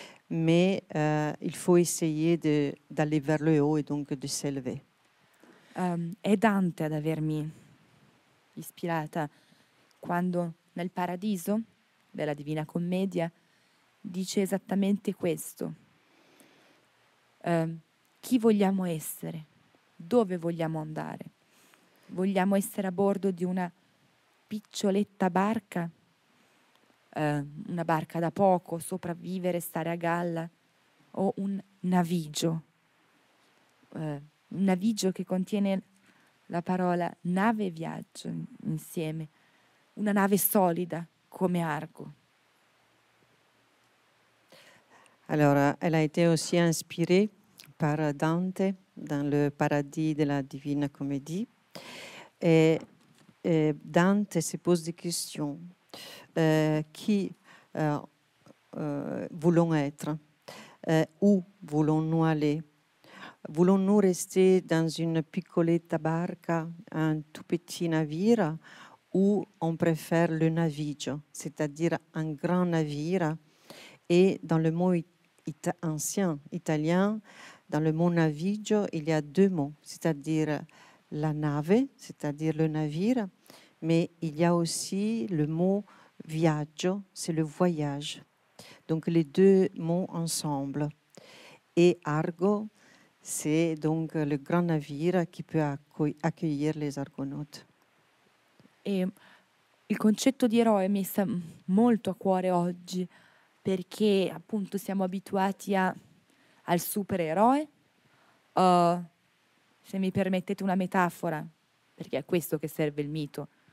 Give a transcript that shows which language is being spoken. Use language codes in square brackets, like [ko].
[fr] Mais il faut essayer d'aller vers le haut et donc de s'élever. [it] È Dante ad avermi ispirata quando nel Paradiso della Divina Commedia dice esattamente questo. Chi vogliamo essere? Dove vogliamo andare? Vogliamo essere a bordo di una piccioletta barca? Una barca da poco, sopravvivere, stare a galla? O un navigio? Un navigio che contiene la parola nave e viaggio insieme. Una nave solida come Argo. [fr] Alors, elle a été aussi inspirée par Dante dans le paradis de la Divine Comédie. Et Dante se pose des questions. Voulons être? Où voulons-nous aller? Voulons-nous rester dans une [it] piccoletta barca, [fr] un tout petit navire, ou on préfère le navigio, c'est-à-dire un grand navire? Et dans le mot ancien italien, dans le mot navigio, il y a deux mots, c'est-à-dire la nave, c'est-à-dire le navire, mais il y a aussi le mot viaggio, c'est le voyage. Donc les deux mots ensemble. Et Argo, c'est donc le grand navire qui peut accueillir les argonautes. [it] Et il concetto di eroe mi sta molto a cuore oggi, perché appunto siamo abituati al supereroe. Se mi permettete una metafora, perché è questo che serve il mito.